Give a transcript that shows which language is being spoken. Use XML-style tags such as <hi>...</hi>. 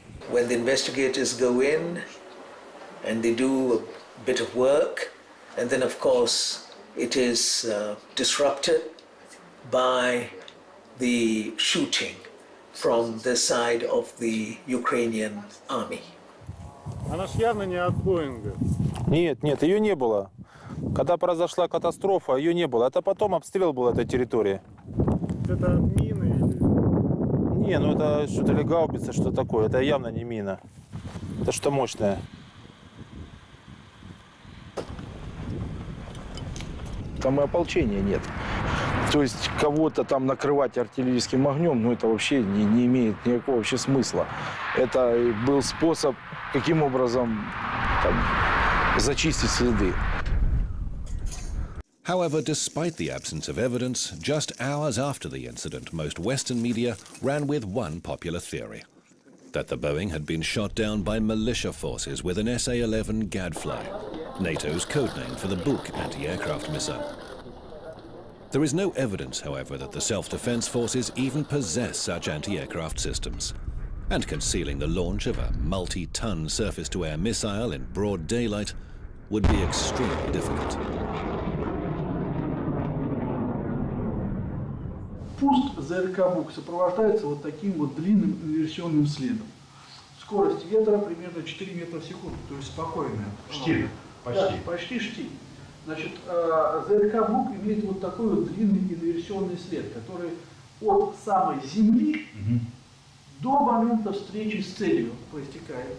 <en>When the investigators go in and they do a bit of work, and then of course it is disrupted by the shooting from the side of the Ukrainian army.</en> <ru>Она ж явно не от Боинга. Нет, нет, ее не было. Когда произошла катастрофа, ее не было. Это потом обстрел был этой территории. Это мины или? Не, ну это что-то ли гаубица, что такое. Это явно не мина. Это что-то мощное. Там и ополчения нет. То есть кого-то там накрывать артиллерийским огнем, ну это вообще не имеет никакого вообще смысла. Это был способ, каким образом там, зачистить следы.</ru> <en>However, despite the absence of evidence, just hours after the incident, most Western media ran with one popular theory, that the Boeing had been shot down by militia forces with an SA-11 gadfly, NATO's codename for the Buk anti-aircraft missile. There is no evidence, however, that the self-defense forces even possess such anti-aircraft systems. And concealing the launch of a multi-ton surface-to-air missile in broad daylight would be extremely difficult.</en> <ru>Пуск ЗРК «Бук» сопровождается вот таким вот длинным инверсионным следом. Скорость ветра примерно 4 метра в секунду, то есть спокойная. Штиль, почти. Да, почти штиль. Значит, ЗРК «Бук» имеет вот такой вот длинный инверсионный след, который от самой земли до момента встречи с целью проистекает.</ru>